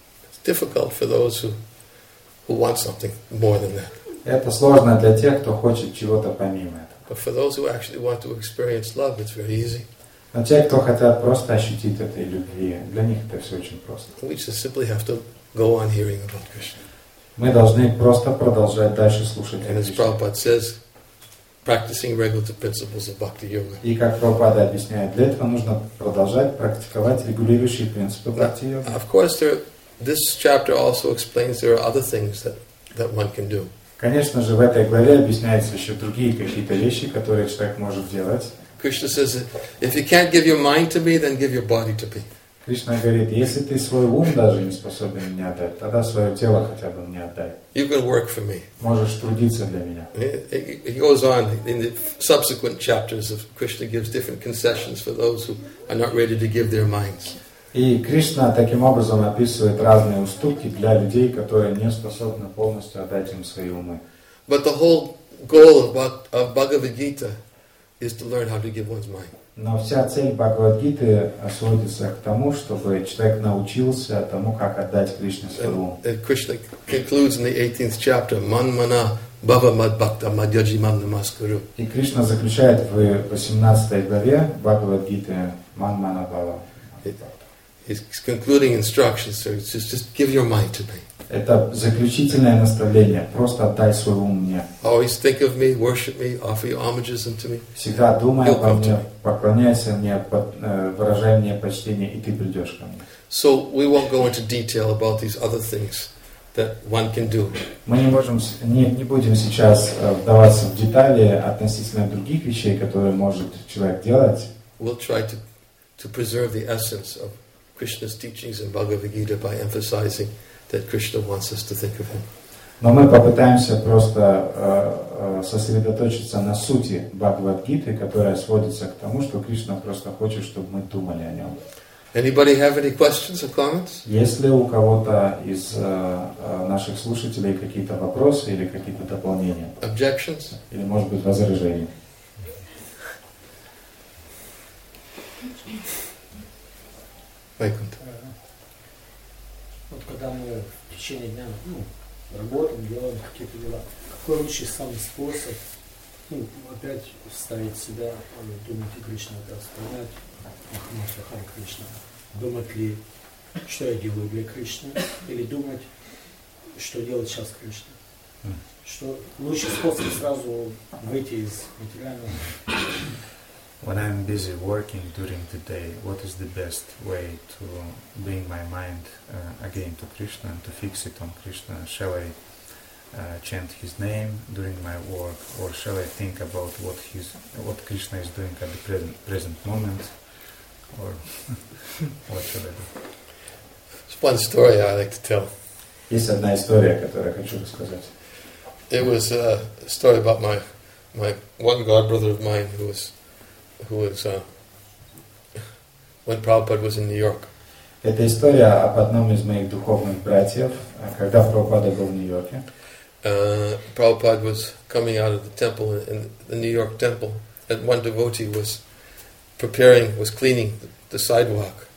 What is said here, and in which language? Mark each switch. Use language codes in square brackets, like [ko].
[en] It's difficult for those who want something more than that. [ru] Это сложно для тех, кто хочет чего-то помимо этого. [en] But for those who actually want to experience love, it's very easy. [ru] Но те, кто хотят просто ощутить этой любви, для них это все очень просто. [en] We just simply have to go on hearing about Krishna. [ru] Мы должны просто продолжать дальше слушать. [en] And as Prabhupada says, practicing regulative principles of bhakti yoga. [ru] И как Прабхупада объясняет, для этого нужно продолжать практиковать регулирующие принципы бхакти йоги. [en] Of course, there, this chapter also explains there are other things that one can do. [ru] Конечно же, в этой главе объясняются еще другие какие-то вещи, которые человек может делать. [en] Krishna says, if you can't give your mind to me, then give your body to me. [ru] Кришна говорит, если ты свой ум даже не способен мне отдать, тогда свое тело хотя бы мне отдай. [en] You can work for me. [ru] Можешь трудиться для меня. [en] It goes on in the subsequent chapters of Krishna gives different concessions for those who are not ready to give their minds. [ru] И Кришна таким образом описывает разные уступки для людей, которые не способны полностью отдать им свои умы. [en] But the whole goal of Bhagavad Gita is to learn how to give one's mind. [ru] Но вся цель Бхагавад-гиты сводится к тому, чтобы человек научился тому, как отдать Кришне свою ум. [en] And Krishna concludes in the 18th chapter, [sa] man mana bhava mad bhakta madhyaji mam namaskaru. [ru] И Кришна заключает в 18 главе Бхагавад-гиты [sa] man mana bhava. [en] He's concluding instructions, so it's just give your mind to me. [ru] Это заключительное наставление. Просто отдай свой ум мне. [en] Always think of me, worship me, offer your homages unto me. [ru] Всегда думай обо мне, поклоняйся мне, выражай мне почтение, и ты придешь ко мне. [en] So we won't go into detail about these other things that one can do. [ru] Мы не будем сейчас вдаваться в детали относительно других вещей, которые может человек делать. [en] We'll try to preserve the essence of Krishna's teachings in Bhagavad Gita by emphasizing that Krishna wants us to think of him. [ru] Но мы попытаемся просто сосредоточиться на сути Бхагавад-гиты, которая сводится к тому, что Кришна просто хочет, чтобы мы думали о нем. [en] Anybody have any questions or comments? [ru] Если у кого-то из наших слушателей какие-то вопросы или какие-то дополнения? [en] Objections? [ru] Или, может быть, возражения? Вайкунта. Вот когда мы в течение дня работаем, делаем какие-то дела, какой лучший самый способ опять вставить себя, думать о Кришне, вспоминать Махамантру Хари Кришна, думать ли, что я делаю для Кришны, или думать, что делать сейчас Кришна. Что лучший способ сразу выйти из материального. [en] When I'm busy working during the day, what is the best way to bring my mind again to Krishna and to fix it on Krishna? Shall I chant his name during my work, or shall I think about what Krishna is doing at the present moment, or what shall I do? It's one story I like to tell. [ru] Есть одна история, которую я хочу рассказать. [en] It was a story about my one god brother of mine who was when Prabhupada was in New York. [ru] Это история об одном из моих духовных братьев, когда Прабхупада был в Нью-Йорке. [en] Prabhupada was coming out of the temple in the New York temple, and one devotee was cleaning the sidewalk.